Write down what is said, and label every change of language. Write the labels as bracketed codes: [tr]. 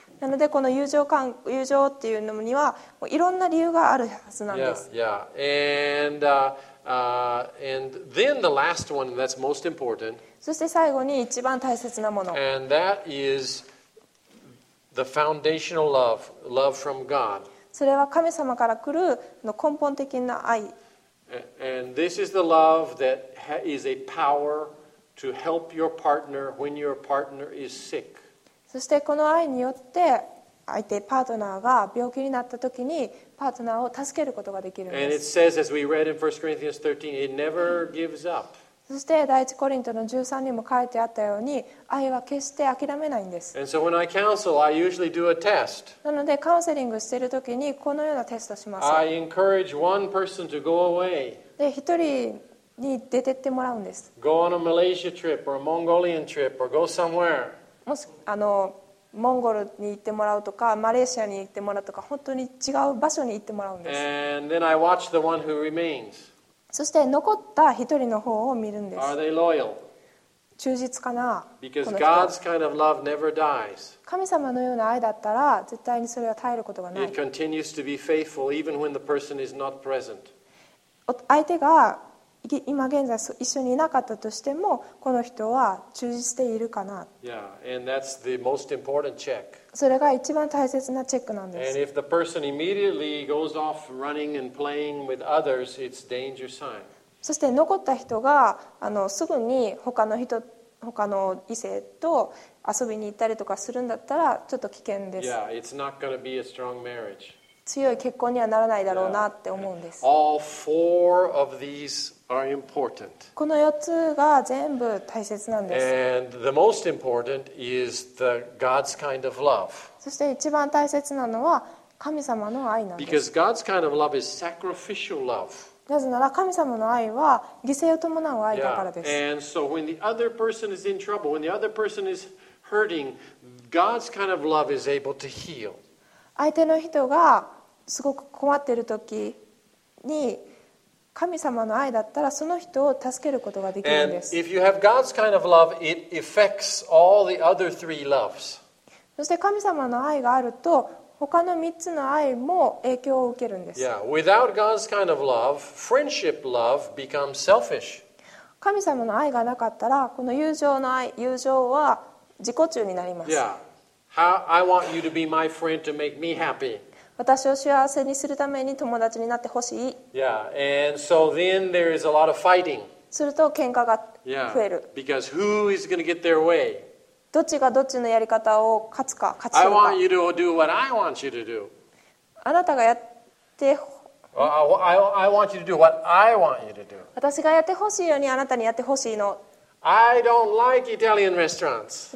[ja] なのでこの友情っていうのにはもういろんな理由があるはずなんです。 [en] yeah, yeah. And then the last one that's most important, [ja] そして最後に一番大切なもの、 [en] and that is the foundational love, love from God. [ja] それは神様から来るの根本的な愛。 [en] And this is the love that is a power to help your partner when your partner is sick. [ja] そしてこの愛によって相手パートナーが病気になった時にパートナーを助けることができるんです。 [en] And it says, as we read in 1 Corinthians 13, it never gives up. [ja] そして第一コリントの13にも書いてあったように愛は決して諦めないんです。 [en] And so when I counsel, I usually do a test. [ja] なのでカウンセリングしているときにこのようなテストをします。 [en] I encourage one person to go away. [ja] で一人に出てってもらうんです。 [en] Go on a Malaysia trip or a Mongolian trip or go somewhere. [ja] もしモンゴルに行ってもらうとかマレーシアに行ってもらうとか本当に違う場所に行ってもらうんです。 [en] And then I watch the one who remains. [ja] そして残った一人の方を見るんです。 [en] Are they loyal? [ja] 忠実かな。 [en] Because God's kind of love never dies. [ja] 神様のような愛だったら絶対にそれは耐えることがない。 [en] It continues to be faithful even when the person is not present. [ja] 相手が今現在一緒にいなかったとしてもこの人は忠実でいるかな。 [en] Yeah, and that's the most important check. [ja] それが一番大切なチェックなんです。 [en] And if the person immediately goes off running and playing with others, it's a danger sign. [ja] そして残った人がすぐに他の異性と遊びに行ったりとかするんだったらちょっと危険です。 [en] Yeah, it's not going to be a strong marriage. [ja] 強い結婚にはならないだろうなって思うんです。 [en] All four of these are important. [ja] この4つが全部大切なんです。 [en] And the most important is the God's kind of love. [ja] そして一番大切なのは神様の愛なんです。 [en] Because God's kind of love is sacrificial love. [ja] なぜなら神様の愛は犠牲を伴う愛だからです。 [en] Yeah. And so when the other person is in trouble, when the other person is hurting, God's kind of love is able to heal. [ja] 相手の人がすごく困っている時に神様の愛だったらその人を助けることができるんです。 [en] And if you have God's kind of love, it affects all the other three loves. [ja] そして神様の愛があると他の3つの愛も影響を受けるんです。 [en] Yeah, without God's kind of love, friendship love becomes selfish. [ja] 神様の愛がなかったらこの友情の愛、友情は自己中になります。 [en] Yeah. How I want you to be my friend to make me happy. [ja] 私を幸せにするために友達になってほしい。 [en] Yeah, and so then there is a lot of fighting. [ja] すると喧嘩が増える。 [en] Yeah, because who is going to get their way? [ja] どっちがどっちのやり方を勝つか、勝ち取るか。 [en] I want you to do what I want you to do. [ja] あなたがやって。 [en] I want you to do what I want you to do. [ja] 私がやってほしいようにあなたにやってほしいの。 [en] I don't like Italian restaurants.